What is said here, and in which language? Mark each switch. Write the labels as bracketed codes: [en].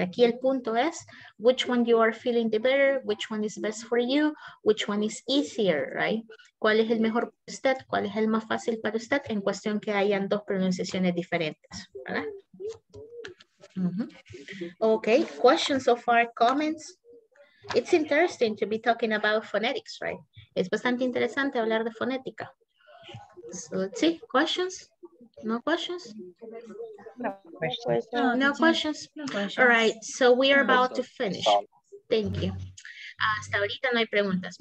[en] Aquí el punto es which one you are feeling the better, which one is best for you, which one is easier, right? [es] ¿Cuál es el mejor para usted? ¿Cuál es el más fácil para usted? En cuestión que hayan dos pronunciaciones diferentes, ¿verdad? [en] Mm-hmm. Okay, questions so far, comments? It's interesting to be talking about phonetics, right? [es] Es bastante interesante hablar de fonética. So let's see, questions? No questions? [en] No questions. All right, so we are about to finish. Thank you. Hasta ahorita no hay preguntas.